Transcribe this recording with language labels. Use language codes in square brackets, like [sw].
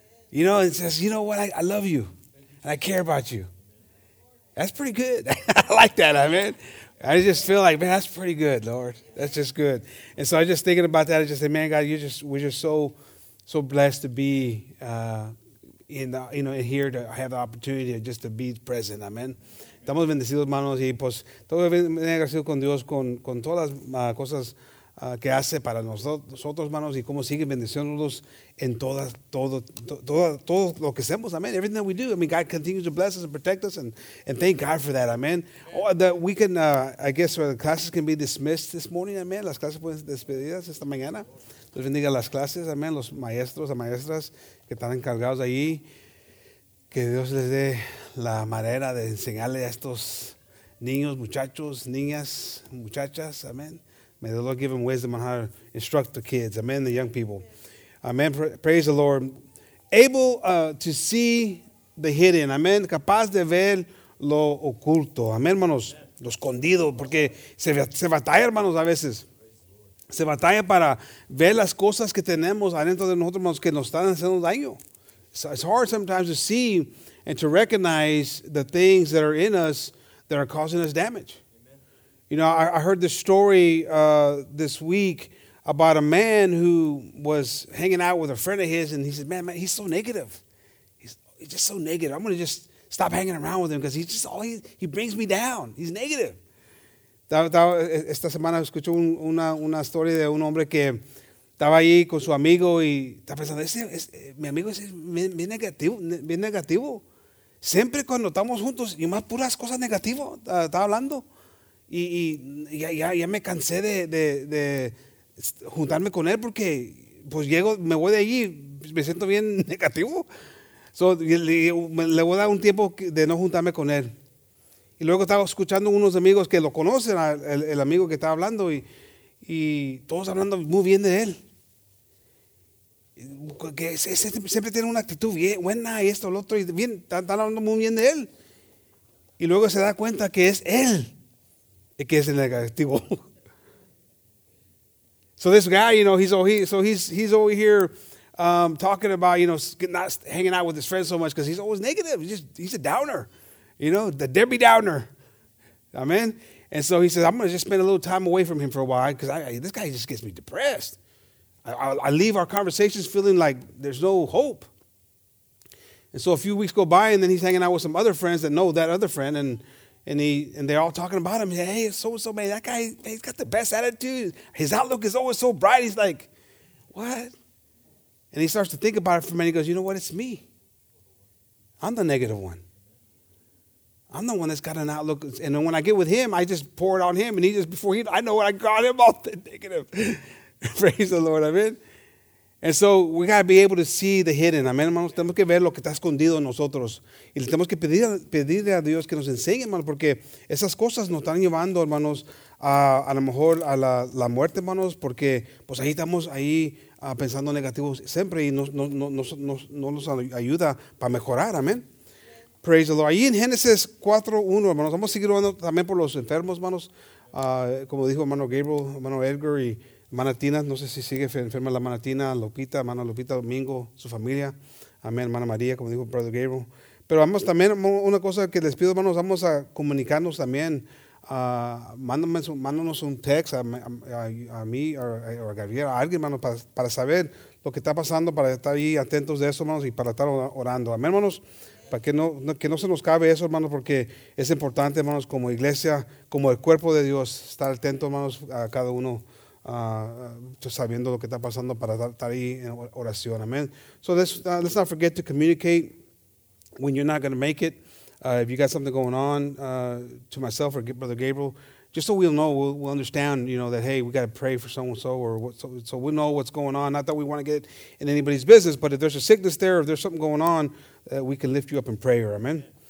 [en] You know, and says, you know what, I love you and I care about you. That's pretty good. I like that, amén. I just feel like, man, that's pretty good, Lord. That's just good. And so I just thinking about that. I just say, man, God, we're just so blessed to be here to have the opportunity just to be present. Amen. [es] Estamos bendecidos, hermanos, y pues todo bien agradecido con Dios con todas las cosas que hace para nosotros, hermanos, y cómo sigue bendiciéndonos en todo lo que hacemos, amen. [en] Everything that we do, I mean, God continues to bless us and protect us, and thank God for that, amen. Oh, that we can, I guess, the classes can be dismissed this morning, amen. [es] Las clases pueden ser despedidas esta mañana. Dios bendiga las clases, amen. Los maestros, las maestras que están encargados allí, que Dios les dé la manera de enseñarle a estos niños, muchachos, niñas, muchachas, amen. [en] May the Lord give them wisdom on how to instruct the kids. Amen, the young people. Amen. Praise the Lord. Able to see the hidden. Amen. [es] Capaz de ver lo oculto. Amen, hermanos. Lo escondido. Porque se batalla, hermanos, a veces. Se batalla para ver las cosas que tenemos adentro de nosotros, hermanos, que nos están haciendo daño. [en] So it's hard sometimes to see and to recognize the things that are in us that are causing us damage. You know, I heard this story this week about a man who was hanging out with a friend of his, and he said, man, he's so negative. He's just so negative. I'm going to just stop hanging around with him because he's just he brings me down. He's negative. [es] Esta semana escuché una historia de un hombre que estaba ahí con su amigo y estaba pensando, mi amigo es bien negativo, bien negativo. Siempre cuando estamos juntos, y más puras cosas negativas, estaba hablando. Y ya me cansé de juntarme con él porque pues llego, me voy de allí, me siento bien negativo. So, le voy a dar un tiempo de no juntarme con él. Y luego estaba escuchando unos amigos que lo conocen, el amigo que estaba hablando, y todos hablando muy bien de él. que siempre tiene una actitud bien buena y esto, lo otro, y bien, están hablando muy bien de él. Y luego se da cuenta que es él el que es el negativo. [en] So this guy, you know, he's over here talking about, you know, not hanging out with his friends so much because he's always negative. He's a downer, you know, the Debbie Downer. Amen. And so he says, I'm going to just spend a little time away from him for a while because this guy just gets me depressed. I leave our conversations feeling like there's no hope. And so a few weeks go by, and then he's hanging out with some other friends that know that other friend, and they're all talking about him. Hey, so-and-so, man, that guy, he's got the best attitude. His outlook is always so bright. He's like, what? And he starts to think about it for a minute. He goes, you know what? It's me. I'm the negative one. I'm the one that's got an outlook. And then when I get with him, I just pour it on him. And he just, before he, I know what I got him off the negative. Praise the Lord. Amen. And so we got to be able to see the hidden. [es] Amen, hermanos. Tenemos que ver lo que está escondido en nosotros. Y tenemos que pedirle a Dios que nos enseñe, hermanos, porque esas cosas nos están llevando, hermanos, a lo mejor a la muerte, hermanos, porque pues ahí estamos ahí pensando negativos siempre y no nos ayuda para mejorar. Amén. [en] Praise the Lord. [es] Ahí en Génesis 4:1, hermanos, vamos a seguir orando también por los enfermos, hermanos. Como dijo hermano Gabriel, hermano Edgar y Manatina, no sé si sigue enferma la Manatina, Lupita, hermano Lupita Domingo, su familia. Amén, hermana María, como dijo Brother Gabriel. Pero vamos también, una cosa que les pido, hermanos, vamos a comunicarnos también. Mándanos un text a mí o a Gabriel, a alguien, hermano, para saber lo que está pasando, para estar ahí atentos de eso, hermanos, y para estar orando. Amén, hermanos, para que no se nos cabe eso, hermanos, porque es importante, hermanos, como iglesia, como el cuerpo de Dios, estar atentos, hermanos, a cada uno. Sabiendo lo que está pasando para estar ahí en oración, amen. [en] So let's not forget to communicate when you're not going to make it. If you got something going on, to myself or Brother Gabriel, just so we'll know, we'll understand, you know, that hey, we got to pray for so-and-so or what, so we know what's going on. Not that we want to get in anybody's business, but if there's a sickness there, if there's something going on, we can lift you up in prayer, amen.